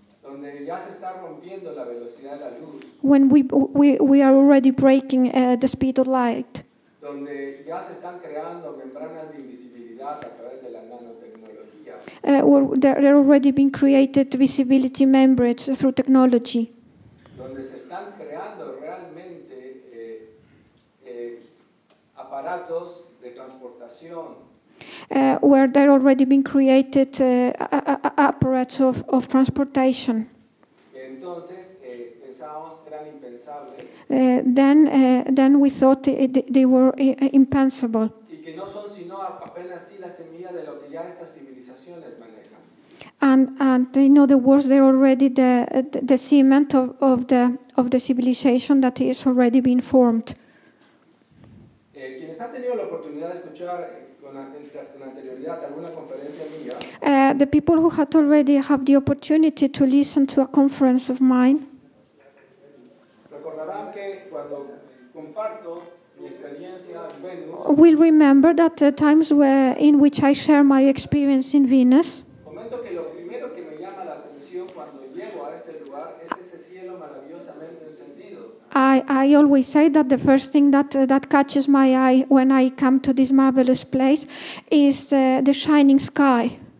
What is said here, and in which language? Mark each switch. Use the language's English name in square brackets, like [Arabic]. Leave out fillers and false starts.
[Spanish] Donde ya se está rompiendo la velocidad de la luz. [English] When we are already breaking the speed of light. [Spanish] Donde ya se están creando membranas de invisibilidad a través de la nanotecnología. [English] Where there are already been created visibility membranes through technology. [Spanish] Donde se están creando realmente aparatos de transportación. [English] Where there have already been created apparatus of transportation. [Spanish] Entonces, pensamos que eran impensables. [English] Then we thought they were impensable. [Spanish] Y que no son sino apenas así la semilla de lo que ya estas civilizaciones manejan. [English] And in other words, they're already the cement of the civilization that is already been formed. [Spanish] Quienes han tenido la oportunidad de escuchar [English] The people who had already had the opportunity to listen to a conference of mine. [Spanish] Recordarán que cuando comparto mi experiencia en [English] Venus, will remember that the times where in which I share my experience in Venus. [Spanish] Comento que lo primero que me llama la atención cuando llego a este lugar es ese cielo maravillosamente encendido. [English] I always say that the first thing that catches my eye when I come to this marvelous place is the shining sky.